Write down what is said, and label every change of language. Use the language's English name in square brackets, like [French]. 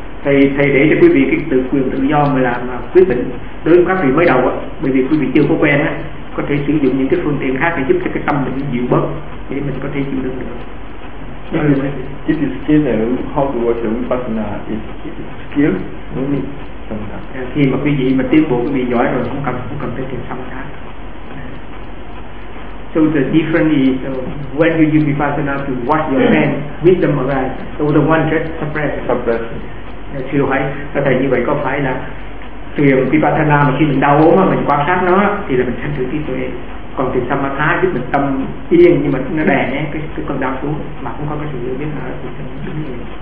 [Vietnamese] Thầy để cho quý vị cái tự quyền tự do mà làm quyết định. Đối với các vị mới đầu á, bởi vì quý vị chưa có quen á, có thể sử dụng những cái phương tiện khác để giúp cho cái tâm mình dịu bớt để mình có thể chịu đựng được. [English] This is skill and how to watch the vipassana is skill, no need samatha. [Vietnamese] Khi mà quý vị mà tiến bộ quý vị giỏi rồi không cần phải thiền samatha. [English] So the difference is when you use vipassana to watch your hand, wisdom arise. So the one just suppress. [Vietnamese] Chưa hỏi, có thể như vậy có phải là thiền vipassana mà khi mình đau mà mình quan sát nó thì là mình sanh trí tuệ. Còn thiền samatha giúp mình tâm yên nhưng mà nó đè nén cái cơn đau xuống mà cũng không có cái sự hiểu biết nào thì mình đứng yên.